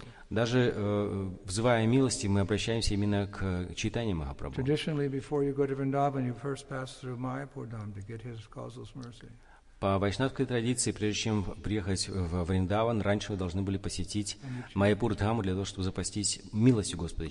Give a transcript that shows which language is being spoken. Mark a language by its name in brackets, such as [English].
[Russian] Даже взывая милости, мы обращаемся именно к Чайтанье Махапрабху. [English] Traditionally, before you go to Vrindavan, you first pass through Mayapur Dham to get his causeless mercy. [Russian] По вайшнавской традиции, прежде чем приехать в Вриндаван, раньше вы должны были посетить Майяпур Дхаму для того, чтобы запастись милостью Господа